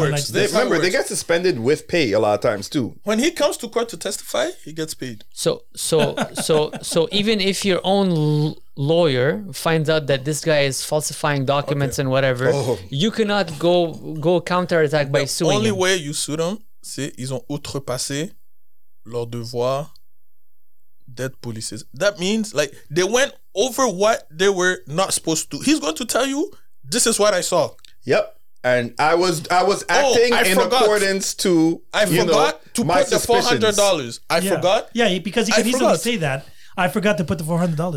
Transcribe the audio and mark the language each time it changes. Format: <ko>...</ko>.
<en>Remember, they get suspended with pay a lot of times too. When he comes to court to testify, he gets paid. So even if your own lawyer finds out that this guy is falsifying documents and whatever, you cannot go counterattack by suing him. The only way you sue them,</en> <fr>c'est ils ont outrepassé leur devoir d'être policiers.</fr> <en>That means like they went over what they were not supposed to. He's going to tell you, "This is what I saw." Yep. And I was acting accordance to, I forgot, you know, to my put the $400. I forgot. Yeah, because he can easily say that. I forgot to put the $400.</en>